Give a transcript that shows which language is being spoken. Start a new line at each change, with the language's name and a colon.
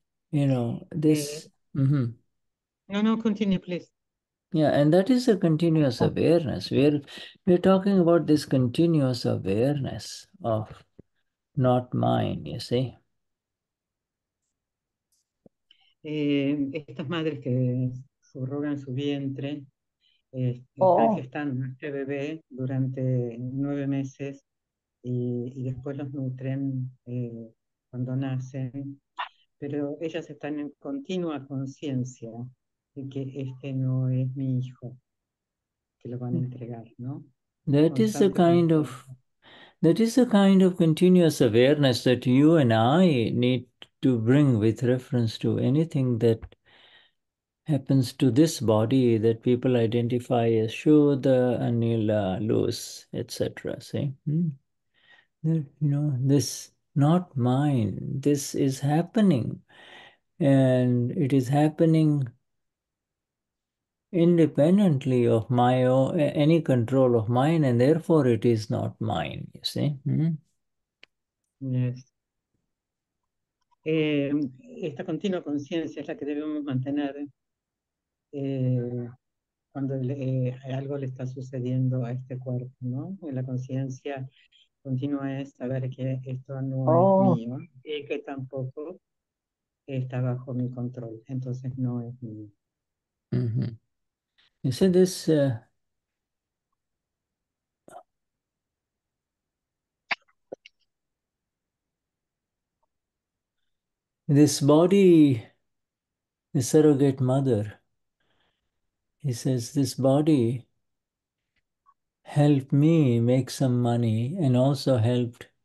English: You know, this... No, no, continue, please. Yeah, and that is a continuous awareness. We're talking about this continuous awareness of not mine, you see?
Spanish: Estas madres que subrogan su vientre están gestando este bebé durante 9 meses y después los nutren cuando nacen, pero ellas están en continua conciencia de que este no es mi hijo, que lo van a entregar, ¿no?
English: That is a kind of continuous awareness that you and I need to bring with reference to anything that happens to this body that people identify as Shuddha, Anila, loose, etc. See? That, you know, this not mine, this is happening. And it is happening independently of my own, any control of mine, and therefore it is not mine, you see? Yes.
Spanish: Esta continua conciencia es la que debemos mantener cuando algo le está sucediendo a este cuerpo, ¿no? La conciencia continua es saber que esto no es mío y que tampoco está bajo mi control. Entonces no es mío.
English: You see, this this body, the surrogate mother, he says, this body, help me make some money, and also help